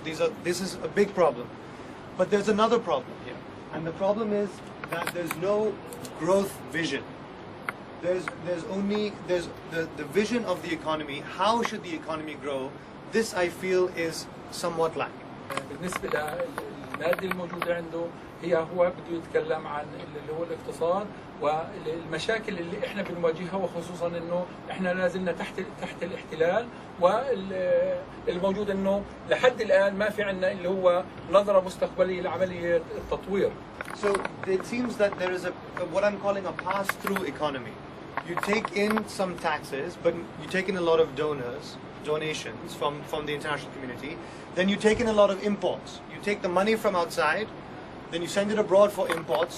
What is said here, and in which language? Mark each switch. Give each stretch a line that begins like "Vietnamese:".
English: This is a big problem. But there's another problem here. And the problem is that there's no growth vision. There's the vision of the economy. How should the economy grow? This I feel is somewhat lacking.
Arabic: بالنسبة للمادة الموجودة عنده هو بده يتكلم عن اللي هو الاقتصاد والمشاكل اللي احنا بنواجهها، وخصوصا انه احنا لازلنا تحت الاحتلال، والموجود انه لحد الان ما في عندنا اللي هو نظرة مستقبلية لعملية التطوير.
English: So it seems that there is what I'm calling a pass-through economy. You take in some taxes, but you take in a lot of donations from the international community. Then you take in a lot of imports. You take the money from outside, then you send it abroad for imports.